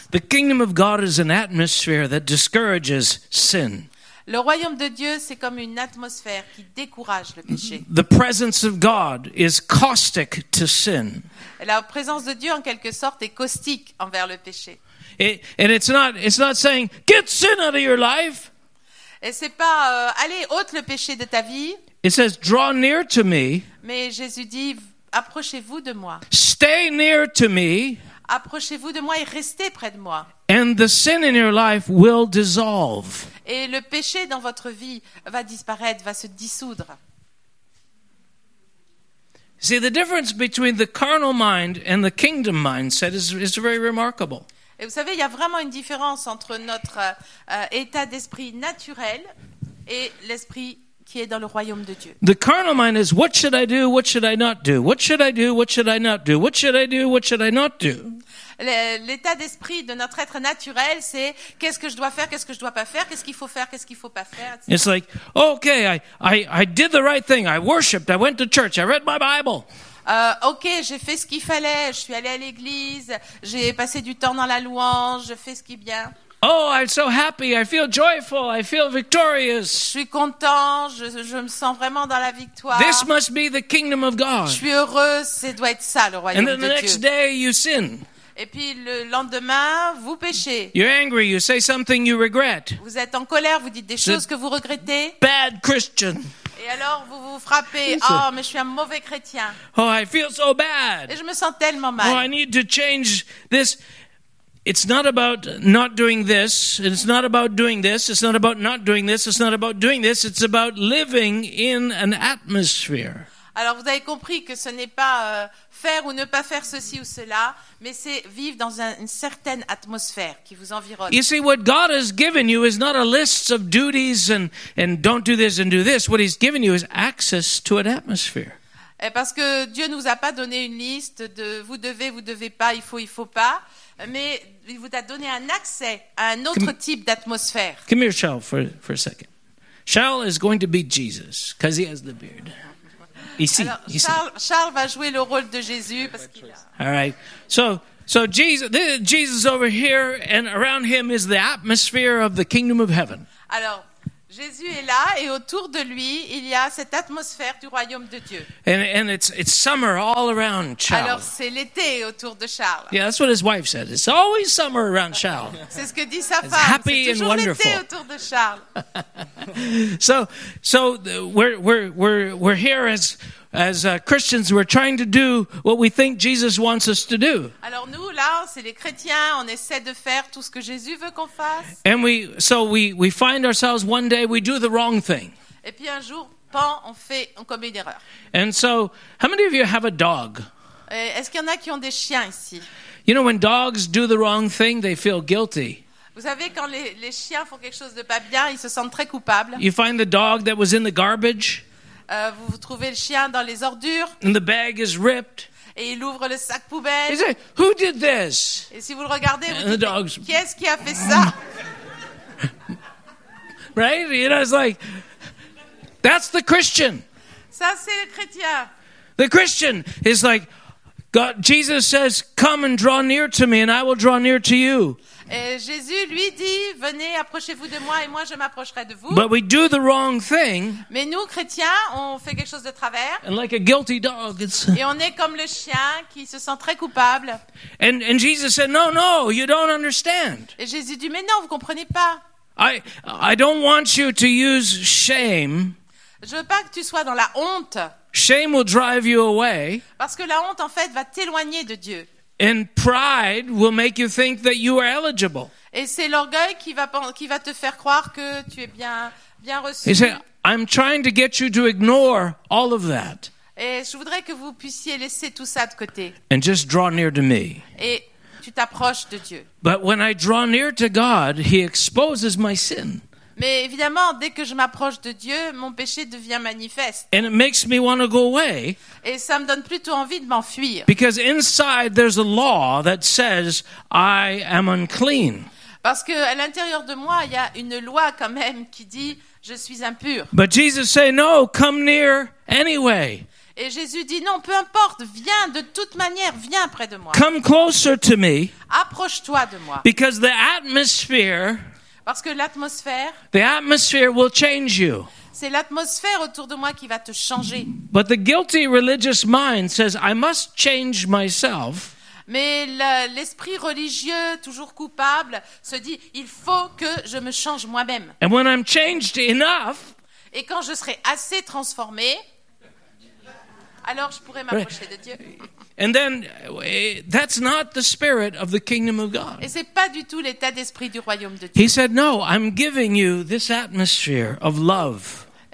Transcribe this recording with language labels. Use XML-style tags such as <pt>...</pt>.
<en>The kingdom of God is an atmosphere that discourages sin.</en> <fr>Le royaume de Dieu, c'est comme une atmosphère qui décourage le péché.</fr> <en>The presence of God is caustic to sin.</en> <fr>La présence de Dieu, en quelque sorte, est caustique envers le péché.</fr> <en>And it's not saying, get sin out of your life.</en> <fr>Et c'est pas, allez, ôte le péché de ta vie.</fr> <en>It says, draw near to me.</en> <fr>Mais Jésus dit, approchez-vous de moi.</fr> <en>Stay near to me.</en> <fr>approchez-vous de moi et restez près de moi.</fr> <en>And the sin in your life will dissolve.</en> <fr>Et le péché dans votre vie va disparaître, va se dissoudre.</fr> <en>See, the difference between the carnal mind and the kingdom mindset is very remarkable.</en> <fr>Et vous savez, il y a vraiment une différence entre notre état d'esprit naturel et l'esprit qui est dans le royaume de Dieu.</fr> <en>The carnal mind is what should I do, what should I not do? What should I do, what should I not do? What should I do, what should I not do?</en> <fr>L'état d'esprit de notre être naturel, c'est qu'est-ce que je dois faire, qu'est-ce que je dois pas faire, qu'est-ce qu'il faut faire, qu'est-ce qu'il faut pas faire, etc.</fr> <en>It's like, okay, I did the right thing. I worshiped, I went to church, I read my Bible.</en> <fr>Ok, j'ai fait ce qu'il fallait, je suis allé à l'église, j'ai passé du temps dans la louange, je fais ce qui est bien.</fr> <en>Oh, I'm so happy, I feel joyful, I feel victorious.</en> <fr>Je suis content, je me sens vraiment dans la victoire.</fr> <en>This must be the kingdom of God.</en> <fr>Je suis heureux, ça doit être ça, le royaume de Dieu.</fr> <en>And then the next day, you sin.</en> <fr>Et puis le lendemain, vous péchez.</fr> <en>You're angry, you say something you regret.</en> <fr>Vous êtes en colère, vous dites des choses que vous regrettez.</fr> <en>Bad Christian.</en> <fr>Et alors vous vous frappez, oh mais je suis un mauvais chrétien.</fr> <en>Oh, I feel so bad.</en> <fr>Et je me sens tellement mal.</fr> <en>Oh, I need to change this. It's not about not doing this. It's not about doing this. It's not about not doing this. It's not about doing this. It's about living in an atmosphere.</en> <fr>Alors vous avez compris que ce n'est pas faire ou ne pas faire ceci ou cela, mais c'est vivre dans une certaine atmosphère qui vous environne.</fr> <en>You see, what God has given you is not a list of duties and don't do this and do this. What He's given you is access to an atmosphere.</en> <fr>Et parce que Dieu nous a pas donné une liste de vous devez pas, il faut pas, mais il vous a donné un accès à un autre type d'atmosphère.</fr> <en>Come here, Shaul, for a second. Shaul is going to be Jesus because he has the beard.</en> <fr>Ici, alors, Charles va jouer le rôle de Jésus parce qu'il a...</fr> <en>All right. So Jesus over here and around him is the atmosphere of the kingdom of heaven.</en> <fr>Alors, Jésus est là et autour de lui, il y a cette atmosphère du royaume de Dieu.</fr> <en>And it's summer all around Charles.</en> <fr>Alors, c'est l'été autour de Charles.</fr> <en>Yeah, that's what his wife said. It's always summer around Charles.</en> <fr>C'est ce que dit sa femme.</fr> <en>Happy</en> <fr>c'est toujours</fr> <en>and wonderful.</en> <fr>L'été autour de Charles.</fr> <en>So we're here as Christians, we're trying to do what we think Jesus wants us to do.</en> <fr>Alors nous là, c'est les chrétiens, on essaie de faire tout ce que Jésus veut qu'on fasse.</fr> <en>And we find ourselves one day we do the wrong thing.</en> <fr>Et puis un jour, pan, on commet une erreur.</fr> <en>And so, how many of you have a dog?</en> <fr>Est-ce qu'il y en a qui ont des chiens ici?</fr> <en>You know, when dogs do the wrong thing, they feel guilty.</en> <fr>Vous savez, quand les chiens font quelque chose de pas bien, ils se sentent très coupables.</fr> <en>You find the dog that was in the garbage.</en> <fr>Vous trouvez le chien dans les ordures.</fr> <en>And the bag is ripped.</en> <fr>Et il ouvre le sac poubelle.</fr> <en>He said, "Who did this?"</en> <fr>Et si vous le regardez,</fr> <en>and</en> <fr>vous dites, qui est-ce qui a fait ça?</fr> <en>Right? You know, it's like, that's the Christian.</en> <fr>Ça, c'est le chrétien.</fr> <en>The Christian is like, God, Jesus says, come and draw near to me and I will draw near to you.</en> <fr>Et Jésus lui dit, venez, approchez-vous de moi et moi je m'approcherai de vous.</fr> <en>But we do the wrong thing.</en> <fr>Mais nous, chrétiens, on fait quelque chose de travers.</fr> <en>And like a guilty dog, it's...</en> <fr>Et on est comme le chien qui se sent très coupable.</fr> <en>And Jesus said, no, no, you don't understand.</en> <fr>Et Jésus dit, mais non, vous ne comprenez pas.</fr> <en>I don't want you to use shame.</en> <fr>Je ne veux pas que tu sois dans la honte.</fr> <en>Shame will drive you away.</en> <fr>Parce que la honte, en fait, va t'éloigner de Dieu.</fr> <en>And pride will make you think that you are eligible.</en> <fr>Et c'est l'orgueil qui va te faire croire que tu es bien reçu.</fr> <en>He said, I'm trying to get you to ignore all of that.</en> <fr>Et je voudrais que vous puissiez laisser tout ça de côté.</fr> <en>And just draw near to me.</en> <fr>Et tu t'approches de Dieu.</fr> <en>But when I draw near to God, He exposes my sin.</en> <fr>Mais évidemment, dès que je m'approche de Dieu, mon péché devient manifeste.</fr> <en>And it makes me want to go away.</en> <fr>Et ça me donne plutôt envie de m'enfuir.</fr> <en>Because inside there's a law that says I am unclean.</en> <fr>Parce que à l'intérieur de moi, il y a une loi quand même qui dit je suis impur.</fr> <en>But Jesus say no, come near anyway.</en> <fr>Et Jésus dit non, peu importe, viens de toute manière, viens près de moi.</fr> <en>Come closer to me.</en> <fr>Approche-toi de moi.</fr> <en>Because the atmosphere.</en> <fr>Parce que l'atmosphère,</fr> <en>the atmosphere will change you.</en> <fr>C'est l'atmosphère autour de moi qui va te changer.</fr> <en>But the guilty religious mind says, I must change myself.</en> <fr>Mais l'esprit religieux, toujours coupable, se dit, il faut que je me change moi-même.</fr> <en>And when I'm changed enough,</en> <fr>et quand je serai assez transformé, alors je pourrais m'approcher de Dieu.</fr> <en>And then that's not the spirit of the kingdom of God.</en> <fr>Et c'est pas du tout l'état d'esprit du royaume de Dieu.</fr> <en>He said, "No, I'm giving you this atmosphere of love."</en>